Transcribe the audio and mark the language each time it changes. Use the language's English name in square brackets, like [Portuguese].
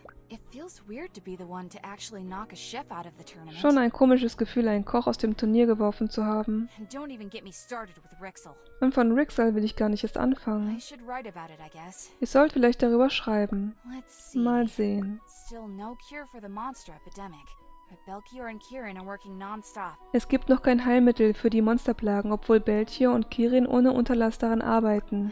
[English] It feels weird to be the one to actually knock a chef out of the tournament. [German] Schon ein komisches Gefühl, einen Koch aus dem Turnier geworfen zu haben. [English] And don't even get me started with Rixel. [German] Und von Rixel will ich gar nicht erst anfangen. [English] I should write about it, I guess. [German] Ich sollte vielleicht darüber schreiben. [English] Let's see. [German] Mal sehen. [English] Still no cure for the monster epidemic. But Belchior and Kirin are working non-stop. [German] Es gibt noch kein Heilmittel für die Monsterplagen, obwohl Belchior und Kirin ohne Unterlass daran arbeiten.